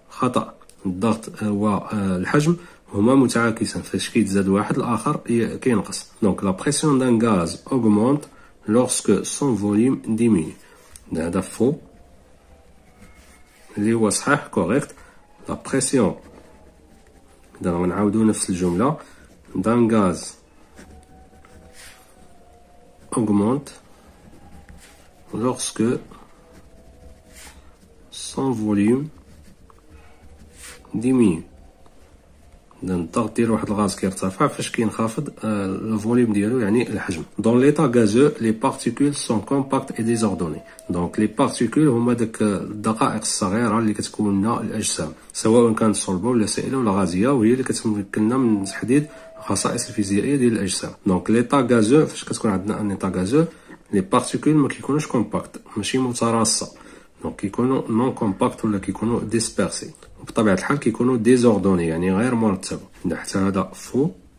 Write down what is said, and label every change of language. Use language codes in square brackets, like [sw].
[ar] خطا، الضغط والحجم هما متعاكسان، فاش كيتزاد واحد الاخر كينقص. [fr] دونك la pression d'un gaz augmente lorsque son volume diminue. [ar] هذا [fr] فو [ar] اللي هو صحيح كوريكت. [fr] la pression [ar] دابا نعاودو نفس الجمله [fr] d'un gaz augmente lorsque son volume diminue. [ar] Donc, الضغط ديال واحد الغاز كيرتفع فاش كينخفض الفوليوم ديالو يعني الحجم. [fr] Dans l'état gazeux, les particules sont compactes et désordonnées. Donc, les particules [ar] هما داك الدقائق الصغيرة اللي كتكون الأجسام، سواء كانت صلبة ولا سائلة ولا غازية، وهي اللي كتمكننا من تحديد الخصائص الفيزيائية ديال الأجسام. دونك [fr] ليطا غازو، [ar] فاش كتكون عندنا ان ليطا غازو [fr] لي بارتيكول ما كيكونوش كومباكت، [ar] ماشي متراصة، دونك كيكونوا [fr] نون كومباكت [ar] ولا كيكونوا ديسبيرسي، وبطبيعة الحال كيكونوا ديزوردوني يعني غير مرتبة. حتى هذا فو.